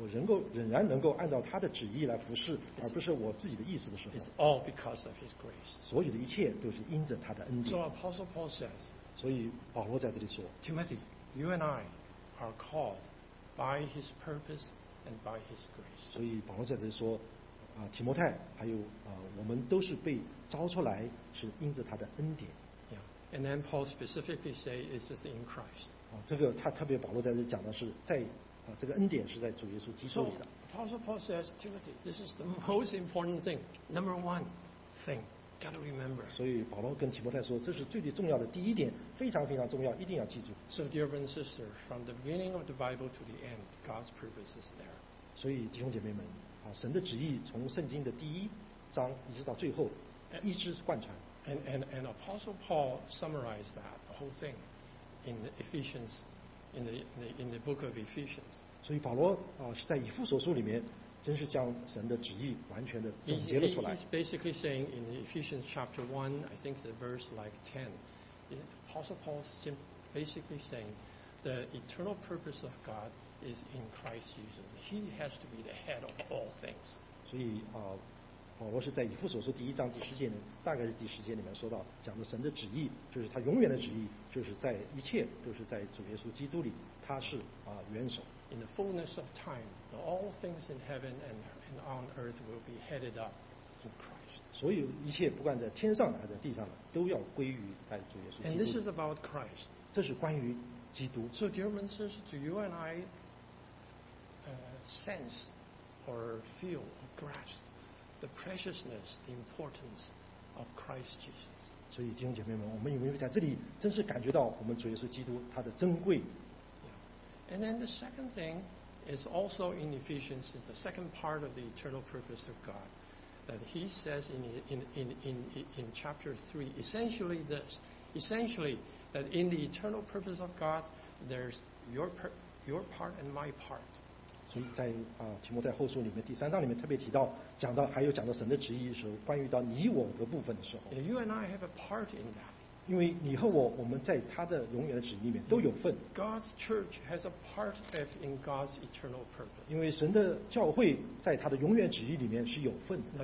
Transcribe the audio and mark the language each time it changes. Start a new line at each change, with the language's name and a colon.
Chinese: 我仍然能够按照他的旨意来服侍，而不是我自己的意思的时候
English: ，It's all because of His grace.
Chinese: 所有的一切都是因着他的恩典。
English: So Apostle Paul says.
Chinese: 所以保罗在这里说
English: ，Timothy, you and I are called by His purpose and by His grace.
Chinese: 所以保罗在这里说，提摩太，还有我们都是被召出来，是因着他的恩典。
English: Yeah. And then Paul specifically say it's just in Christ.
Chinese: 这个他特别保罗在这里讲的是在。这个恩典是在主耶稣基督里的。
English: So, Apostle Paul says, Timothy, this is the most important thing, number one thing, got to remember.
Chinese: 所以保罗跟提摩太说，这是最最重要的第一点，非常非常重要，一定要记住。
English: So, dear brothers and sisters, from the beginning of the Bible to the end, God's purpose is there.
Chinese: 所以弟兄姐妹们，神的旨意从圣经的第一章一直到最后，一直贯穿。
English: And Apostle Paul summarized that the whole thing in Ephesians. in the book of Ephesians.
Chinese: 所以保罗在以弗所书里面真是将神的旨意完全的总结了出来。
English: He's basically saying in Ephesians chapter 1, I think the verse like 10, the Apostle Paul is basically saying the eternal purpose of God is in Christ Jesus. He has to be the head of all things.
Chinese: 所以保罗是在以弗所书第一章第十节里，大概是第十节里面说到，讲的神的旨意，就是他永远的旨意，就是在一切都是在主耶稣基督里，他是元首。
English: In the fullness of time, all things in heaven and on earth will be headed up in Christ.
Chinese: 所有一切不管在天上还在地上的，都要归于在主耶稣基督。
English: And this is about Christ.
Chinese: 这是关于基督。
English: So, dear ministers, do you and I sense or feel or grasp the preciousness, the importance of Christ Jesus?
Chinese: 所以弟兄姐妹们，我们有没有在这里真是感觉到我们主耶稣基督他的珍贵？
English: And then the second thing is also in Ephesians, is the second part of the eternal purpose of God, that he says in chapter 3, essentially this, essentially that in the eternal purpose of God, there's your part and my part.
Chinese: 所以在提摩太后书里面第三章里面特别提到，讲到还有讲到神的旨意的时候，关于到你我的部分的时候。
English: And you and I have a part in that.
Chinese: 因为你和我，我们在他的永远的旨意里面都有份。
English: God's church has a part of in God's eternal purpose.
Chinese: 因为神的教会在他的永远旨意里面是有份的。